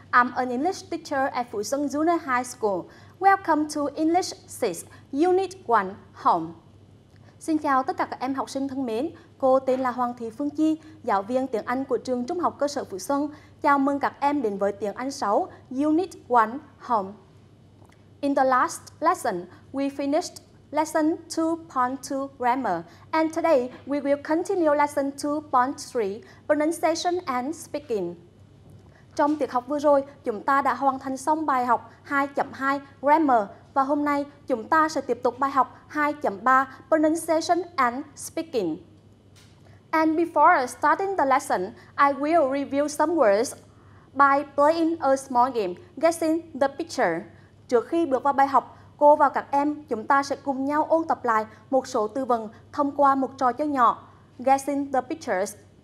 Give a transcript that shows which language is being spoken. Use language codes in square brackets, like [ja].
[en] I'm an English teacher at Phú Xuân Junior High School. Welcome to English 6, Unit 1, Home. [vi] Xin chào tất cả các em học sinh thân mến. Cô tên là Hoàng Thị Phương Chi, giáo viên tiếng Anh của trường Trung học cơ sở Phú Xuân. Chào mừng các em đến với tiếng Anh 6, Unit 1, Home. [en] In the last lesson, we finished Lesson 2.2 Grammar. And today, we will continue Lesson 2.3 Pronunciation and Speaking. [vi] Trong tiết học vừa rồi, chúng ta đã hoàn thành xong bài học 2.2 Grammar. Và hôm nay, chúng ta sẽ tiếp tục bài học 2.3 Pronunciation and Speaking. [en] And before starting the lesson, I will review some words by playing a small game, guessing the picture. [vi] Trước khi bước vào bài học, cô và các em, chúng ta sẽ cùng nhau ôn tập lại một số từ vựng thông qua một trò chơi nhỏ, Guessing the Pictures.